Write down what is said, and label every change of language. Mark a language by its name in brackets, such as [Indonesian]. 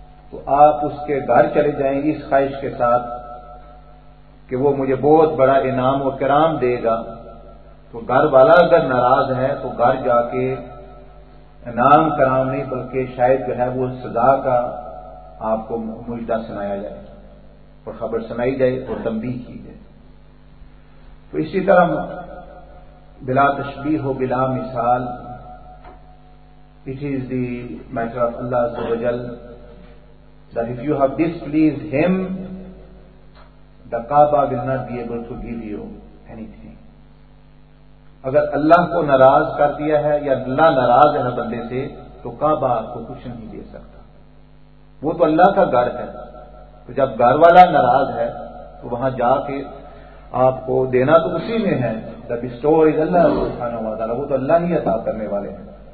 [Urdu] تو آپ اس کے گھر چلے جائیں گی اس خواہش کے ساتھ کہ وہ مجھے بہت بڑا انعام و کرام دے گا. تو گھر والا اگر ناراض ہے تو گھر جا کے انعام کرام نہیں بلکہ شاید جو ہے وہ سزا کا آپ کو مجدہ سنایا جائے اور خبر سنائی جائے اور تنبیہ کی جائے. تو اسی طرح بلا تشبیہ و بلا مثال [English] It is the matter of Allah عز و جل that if you have this please him the Kaaba will not be able to give you anything. [Urdu] اگر اللہ کو ناراض کر دیا ہے یا اللہ ناراض ہے بندے سے تو کعبہ آپ کو کچھ نہیں دے سکتا, وہ تو اللہ کا گھر ہے. تو جب گھر والا ناراض ہے تو وہاں جا کے آپ کو دینا تو اسی میں ہے, جب اسٹور از اللہ سبحانہ و تعالیٰ, وہ تو اللہ ہی عطا کرنے والے ہیں.